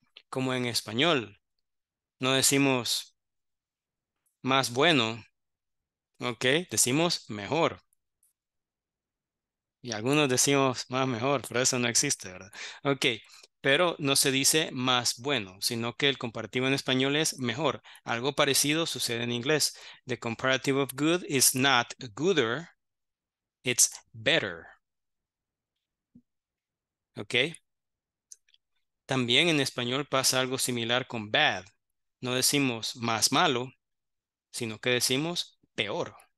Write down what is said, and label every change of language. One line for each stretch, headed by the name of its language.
Spanish: Como en español, no decimos más bueno, ok, decimos mejor. Y algunos decimos más mejor, pero eso no existe, ¿verdad? Ok, pero no se dice más bueno, sino que el comparativo en español es mejor. Algo parecido sucede en inglés.
English: The comparative of good is not gooder, it's better. Ok.
Spanish: También en español pasa algo similar con bad. No decimos más malo, sino que decimos peor.